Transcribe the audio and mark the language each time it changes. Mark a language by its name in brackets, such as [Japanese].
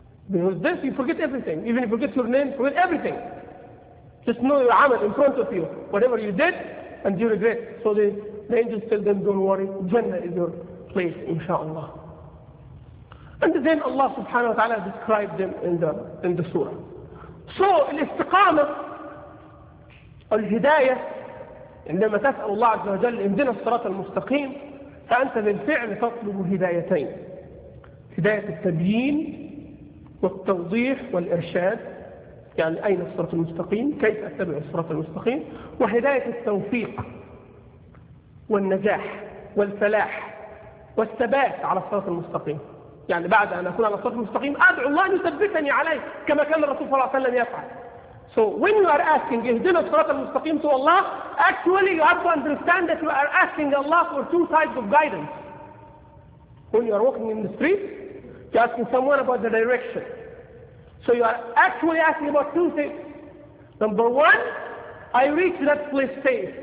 [English] Because this, you forget everything. Even if you forget your name, forget everything. Just know your amal in front of you. Whatever you did, and you regret. So the angels tell them, don't worry. Jannah is your place, inshaAllah. And then Allah subhanahu wa ta'ala described them in the surah. [Arabic] So, الاستقامة, الهداية, عندما تسأل الله عز وجل, اهدنا الصراط المستقيم, فأنت بالفعل تطلب هدايتين. هداية التبيين, والتوضيح والإرشاد, يعني أين الصراط المستقيم, كيف أتبع الصراط المستقيم, وهداية التوفيق والنجاح والفلاح والثبات على الصراط المستقيم. يعني بعد أن أكون على الصراط المستقيم أدعو الله أن يثبتني عليه كما كان الرسول صلى الله عليه وسلم يفعل. [English] So when you are asking, [Arabic] اهدنا الصراط المستقيم [English] to Allah, actually you have to understand that you are asking Allah for two types of guidance. When you are walking in the street, you're asking someone about the direction. So you are actually asking about two things. Number one, I reach that place safe.